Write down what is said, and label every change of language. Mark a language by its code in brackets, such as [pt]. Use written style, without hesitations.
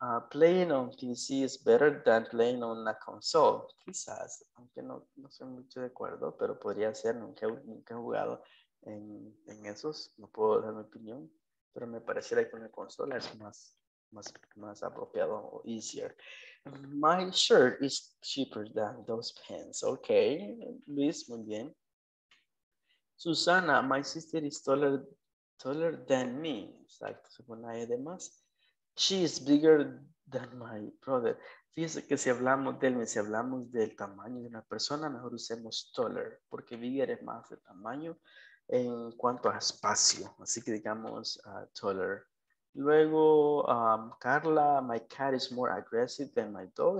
[en] Playing on PC is better than playing on a console. [es] Quizás, aunque no soy mucho de acuerdo, pero podría ser, nunca he jugado. En esos, no puedo dar mi opinión, pero me pareciera que con la consola es más apropiado o easier. [en] My shirt is cheaper than those pants. Ok, Luis, [es] muy bien. [en] Susana, my sister is taller than me. [es] Exacto, según nadie de más. [en] She is bigger than my brother. [es] Fíjense que si hablamos del, si hablamos del tamaño de una persona, mejor usemos taller, porque bigger es más de tamaño. En cuanto a espacio, así que digamos taller. [en] Luego, Carla, my cat is more aggressive than my dog.